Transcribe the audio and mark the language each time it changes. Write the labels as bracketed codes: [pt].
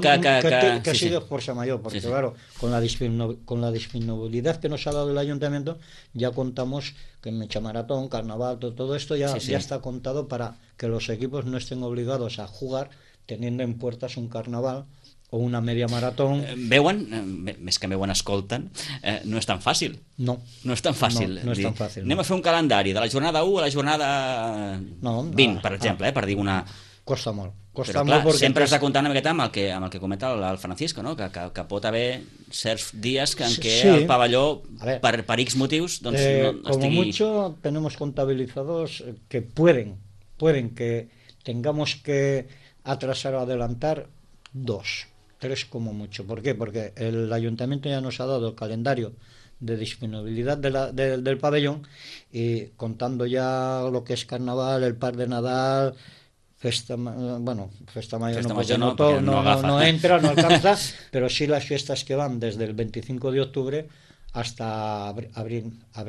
[es] que ha sido fuerza mayor, porque sí. Claro, con la disponibilidad que nos ha dado el ayuntamiento, ya contamos que en Mechamaratón, Carnaval, todo esto ya está contado para que los equipos no estén obligados a jugar teniendo en puertas un carnaval o una media maratón. [ca] Veuen, més que veuen, escolten, no és tan fàcil. No. No és tan fàcil. No, no és tan fàcil. Anem a fer un calendari de la jornada 1 a la jornada 20, per exemple, per dir una... Costa molt. Costa però, clar, molt sempre has de comptar una miqueta amb el que comenta el Francisco, no? que pot haver certs dies en què sí. El pavelló, per X motius, doncs no estigui... [es] Como mucho, tenemos contabilizados que pueden que tengamos que atrasar o adelantar dos. Tres como mucho. ¿Por qué? Porque el ayuntamiento ya nos ha dado el calendario de disponibilidad del pabellón y contando ya lo que es carnaval, el par de Nadal, festa mayor no alcanza, pero sí las fiestas que van desde el 25 de octubre hasta abril.